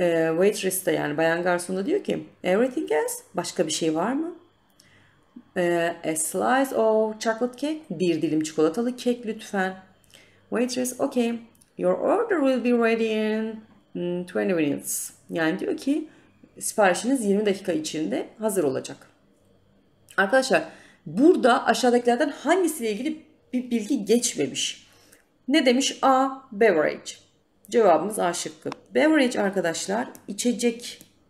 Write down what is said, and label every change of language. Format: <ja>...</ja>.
<tr>Waitress de yani bayan garson da diyor ki</tr> <en>everything else,</en> <tr>başka bir şey var mı?</tr> <en>A slice of chocolate cake,</en> <tr>bir dilim çikolatalı kek lütfen.</tr> <en>Waitress, okay, your order will be ready in 20 minutes.</en> <tr>Yani diyor ki siparişiniz 20 dakika içinde hazır olacak. Arkadaşlar burada aşağıdakilerden hangisiyle ilgili bir bilgi geçmemiş? Ne demiş? A. Beverage. Cevabımız A şıkkı. Beverage arkadaşlar içecek.</tr>